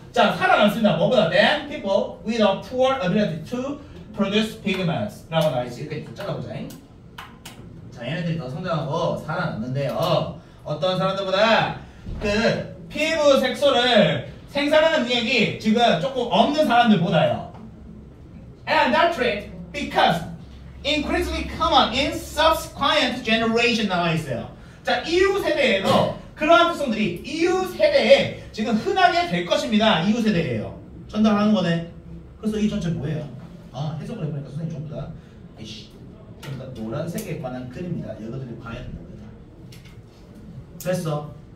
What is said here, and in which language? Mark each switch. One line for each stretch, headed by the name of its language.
Korean: 자 살아날 수 있는 뭐보다 than people with a poor ability to produce pigments 라고 나와있지. 이렇게 좀 잘라보자. 자 얘네들이 더 성장하고 살아났는데요 어떤 사람들보다 그 피부 색소를 생산하는 능력이 지금 조금 없는 사람들보다요.
English: And that trait because increasingly common in subsequent generation 나와있어요.
Korean: 자 이후 세대에도 그러한 특성들이 이후 세대에 지금 흔하게 될 것입니다. 이후 세대에요. 전달하는 거네. 그래서 이 전체 뭐예요? 아 해석을 해보니까 선생님 전부 다 이씨 전부 다 노란색에 관한 글입니다. 여러분들이 봐야 된다. 됐어.